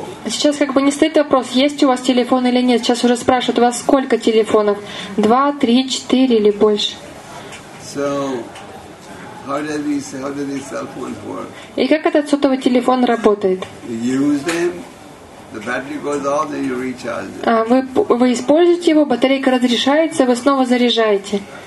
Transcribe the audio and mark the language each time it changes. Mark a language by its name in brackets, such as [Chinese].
[Russian] Сейчас как бы не стоит вопрос, есть у вас телефон или нет. Сейчас уже спрашивают, у вас сколько телефонов? 2, 3, 4 или больше. [English] So, how do these cell phones work? [Russian] И как этот сотовый телефон работает? [English] Use them, the battery goes off, then you recharge them. [Russian] Вы используете его, батарейка разряжается, вы снова заряжаете.